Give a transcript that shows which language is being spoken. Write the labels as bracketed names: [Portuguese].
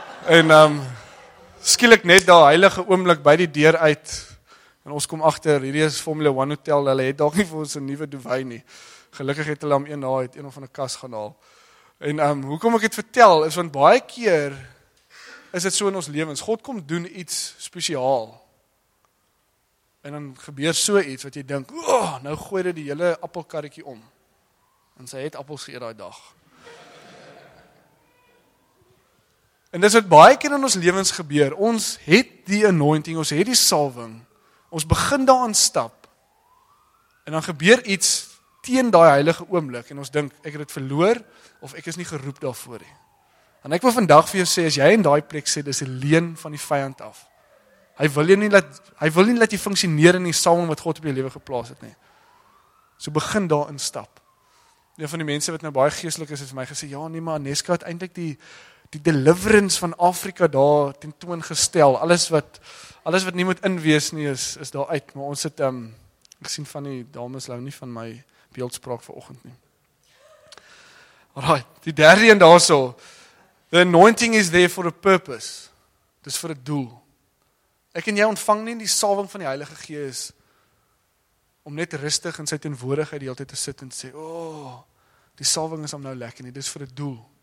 [Afrikaans] En skielik net daai heilige oomblik by die deur uit en ons kom agter hierdie is Formula 1 hotel, hulle het dalk nie vir ons 'n nuwe duvet nie. Gelukkig het hulle hom een na uit een of ander kas gaan haal. En hoekom ek dit vertel is want baie keer is dit so in ons lewens. God kom doen iets spesiaal. En dan gebeur so iets wat jy dink, oh, nou gooi dit die hele appelkarretjie om. En sy het appels geëet daai dag. En dis wat baie keer in ons lewens gebeur. Ons het die anointing, ons het die salwing. Ons begin daaraan stap. En dan gebeur iets teen daai heilige oomblik. En ons dink, ek het dit verloor of ek is nie geroep daarvoor nie. En ek wil vandag vir jou sê, as jy in daai plek sê, dis 'n leen van die vyand af. Hy wil nie dat jy funksioneer in die salwing wat God op jou lewe geplaas het nie. So begin daar instap. Een van die mense wat nou baie geestelik is, het vir my gesê, ja nee, maar Aneska het eintlik die deliverance van Afrika daar tentoon gestel. Alles wat nie moet inwees nie, is daar uit. Maar ons het, gesien van die dames Lou nie van my beeldspraak vanoggend nie. Alright, die derde een daarso. [English] The anointing is there for a purpose. [Afrikaans] Dis vir 'n doel. Ek en jy ontvang nie die salwing van die Heilige Gees om net rustig in sy teenwoordigheid die hele tyd te sit en sê, oh, die salwing is om nou lekker nie, dis vir 'n doel.